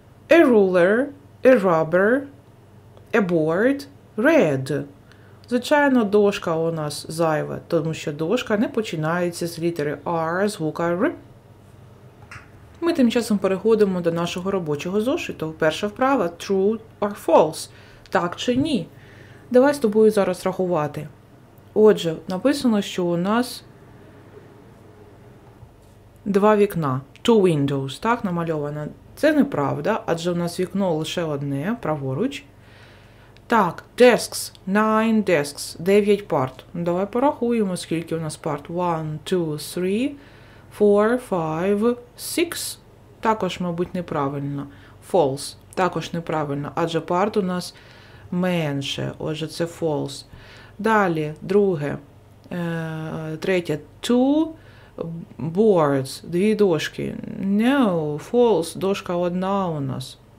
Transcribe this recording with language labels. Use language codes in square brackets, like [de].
[en] A ruler, a rubber, a board, red. [uk] Звичайно, дошка у нас зайва, тому що дошка не починається з літери R, звука R. Ми тим часом переходимо до нашого робочого зошиту. Перша вправа – [en] true or false. [uk] Так чи ні? Давай з тобою зараз рахувати. Отже, написано, що у нас два вікна. [en] Two windows, [uk] так, намальовано. Це неправда, адже у нас вікно лише одне, праворуч. Так, [en] desks, nine desks, [uk] 9 парт. Давай порахуємо, скільки у нас парт. [en] One, two, three, four, five, six. [uk] Також, мабуть, неправильно. [en] False, [uk] також неправильно, адже парт у нас менше. Отже, це false. Далі, друге, третє, [en] two boards, [uk] дві дошки. [en] No, false, [uk] дошка одна у нас.